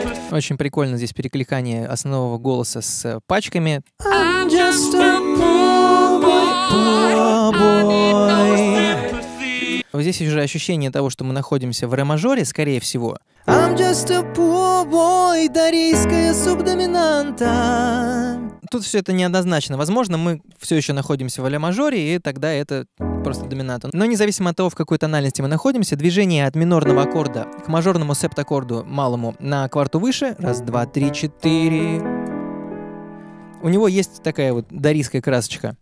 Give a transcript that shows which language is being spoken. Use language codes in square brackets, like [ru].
[ru] Очень прикольно здесь перекликание основного голоса с пачками. [en] I'm just a poor boy. [ru] Вот здесь уже ощущение того, что мы находимся в ре-мажоре, скорее всего. [en] I'm just a poor boy, [ru] дарийская субдоминанта. Тут все это неоднозначно. Возможно, мы все еще находимся в ля-мажоре, и тогда это просто доминанта. Но независимо от того, в какой тональности мы находимся, движение от минорного аккорда к мажорному септ-аккорду малому на кварту выше. Раз, два, три, четыре. У него есть такая вот дарийская красочка.